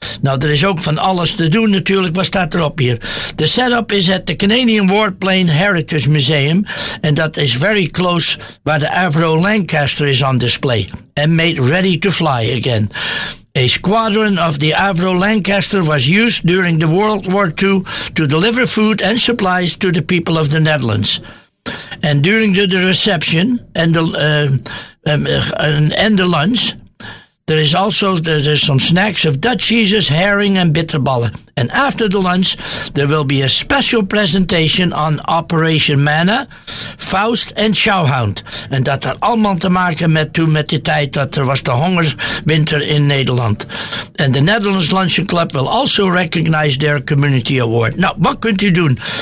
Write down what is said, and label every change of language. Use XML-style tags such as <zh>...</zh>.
<nl>Nou, er is ook van alles te doen natuurlijk. Wat staat erop hier?</nl> <en>De setup is at the Canadian Warplane Heritage Museum.</en> <nl>En dat</nl> <en>is very close where the Avro Lancaster is on display. And made ready to fly again. A squadron of the Avro Lancaster was used during the World War II to deliver food and supplies to the people of the Netherlands. And during the reception and the lunch, there is also there's some snacks of Dutch cheeses, herring and bitterballen. And after the lunch, there will be a special presentation on Operation Manna, Faust and Schouwhound.</en> <nl>En dat had allemaal te maken met toen met de tijd dat er was de hongerwinter in Nederland.</nl> <en>And the Netherlands Luncheon Club will also recognize their community award.</en> <nl>Nou, wat kunt u doen?</nl>